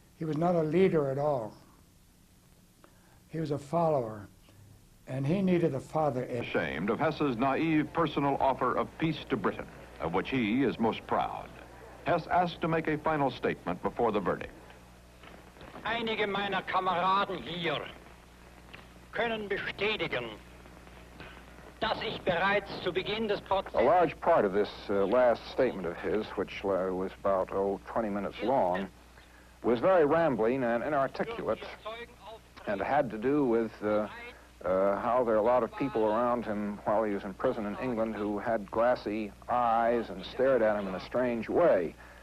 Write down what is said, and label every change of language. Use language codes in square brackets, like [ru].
[en] He was not a leader at all. He was a follower, and he needed a father. Ashamed of Hess's naive personal offer of peace to Britain, of which he is most proud. Hess asked to make a final statement before the verdict. [de] Einige meiner Kameraden hier können bestätigen, dass ich bereits zu Beginn des Prozesses... [en] A large part of this last statement of his, which was about, 20 minutes long, was very rambling and inarticulate, and had to do with how there are a lot of people around him while he was in prison in England who had glassy eyes and stared at him in a strange way.